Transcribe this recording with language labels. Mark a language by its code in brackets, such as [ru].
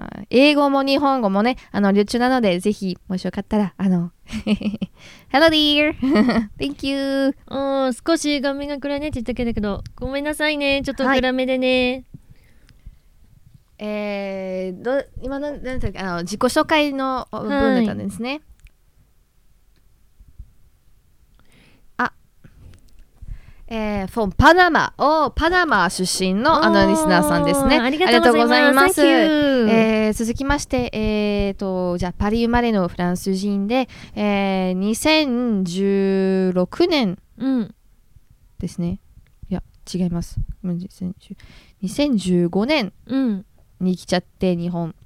[ja] 英語も日本語もね、流暢なので、ぜひ、もしよかったら、 [en] Hello dear. Thank you. [ja] 少し画面が暗いねって言ったけど、ごめんなさいね、ちょっと暗めでね。はい、今の何だっけ、自己紹介の部分だったんですね。 [en] はい、from Panama. [ja] パナマ出身のあのリスナーさんですね。ありがとうございます。続きまして、じゃあパリ生まれのフランス人で、2016年ですね、うん、いや違います、2015年に来ちゃって日本、